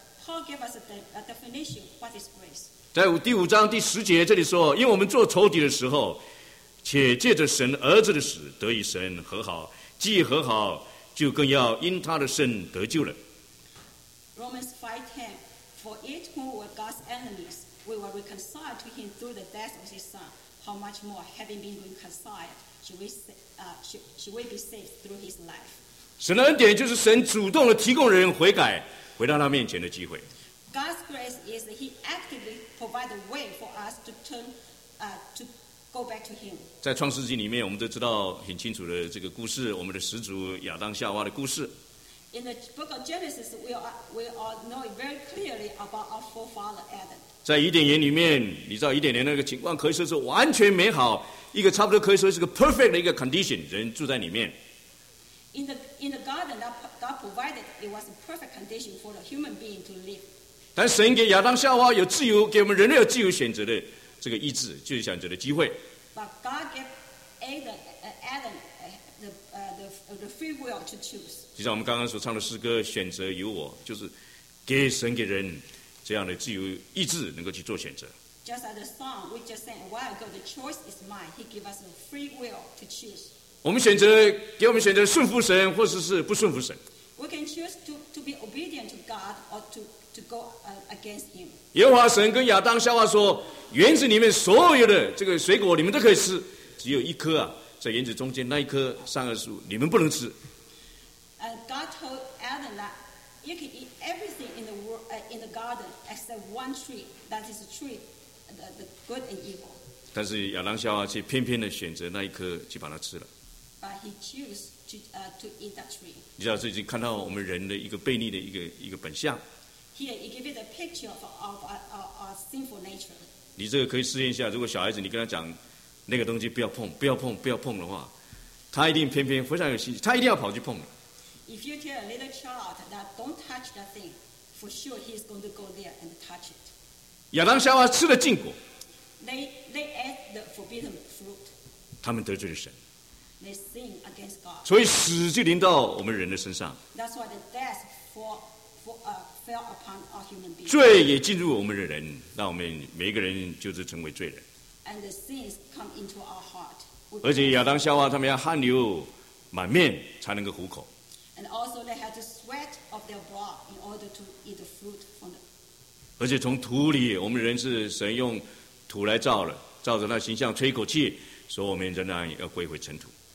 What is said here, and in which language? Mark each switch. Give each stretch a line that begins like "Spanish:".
English: Paul gave us a definition of what is grace.
Chinese: 在第五章第十节这里说，因为我们做仇敌的时候，且借着神儿子的死得与神和好，既和好，就更要因他的圣得救了。
English: Romans 5:10, for it who were God's enemies, we were reconciled to him through the death of his son. How much more, having been reconciled, should we be saved through his life?
Chinese: 神的恩典就是神主动的提供人悔改。回到他面前的机会。
English: God's grace is that He actively provides a way for us to turn, to go back to Him.
Chinese: 在创世纪里面，我们都知道很清楚的这个故事，我们的始祖亚当夏娃的故事。
English: In the book of Genesis, we all know it very clearly about our forefather Adam.
Chinese: 在伊甸园里面，你知道伊甸园那个情况可以说是完全美好，一个差不多可以说是个
English: perfect
Chinese: 的一个
English: condition，
Chinese: 人住在里面。
English: In the garden that God provided, it was a perfect condition for the human being to live.
Chinese: 但神给亚当夏娃有自由，给我们人类有自由选择的这个意志，自由选择的机会。
English: But God gave Adam the free will to choose.
Chinese: 就像我们刚刚所唱的诗歌《选择由我》，就是给神给人这样的自由意志，能够去做选择。
English: Just as the song we just sang a while ago, the choice is mine. He gives us a free will to choose.
Chinese: 我们选择，给我们选择顺服神，或者是不顺服神。
English: We can choose to be obedient to God or to go against Him.
Chinese: 耶和华神跟亚当夏娃说：“园子里面所有的这个水果，你们都可以吃，只有一颗啊，在园子中间那一棵善恶树，你们不能吃。”
English: God told Adam that you can eat everything in the world, in the garden except one tree. That is a tree. The good and evil.
Chinese: 但是亚当夏娃却偏偏的选择那一颗，去把它吃了。
English: But he chose to eat that tree.
Chinese: 你知道，这已经看到我们人的一个悖逆的一个本相。
English: Here he gave it a picture of our sinful nature.
Chinese: 你这个可以试验一下，如果小孩子你跟他讲那个东西不要碰，不要碰，不要碰的话，他一定偏偏非常有兴趣，他一定要跑去碰。
English: If you tell a little child that don't touch that thing, for sure he is going to go there and touch it.
Chinese: 亚当夏娃吃了禁果，
English: they ate the forbidden fruit.
Chinese: 他们得罪了神，
English: they sin against God.
Chinese: 所以死就临到我们人的身上，
English: That's why the death fell upon our human being.
Chinese: 罪也进入我们的人，让我们每一个人就是成为罪人。
English: And the sins come into our heart.
Chinese: 而且亚当夏娃他们要汗流满面才能够糊口，
English: And also they had to sweat of their blood in order to eat the fruit from the
Chinese: 而且从土里，我们人是神用土来造了，照着那形象吹口气，所以我们仍然要归回尘土。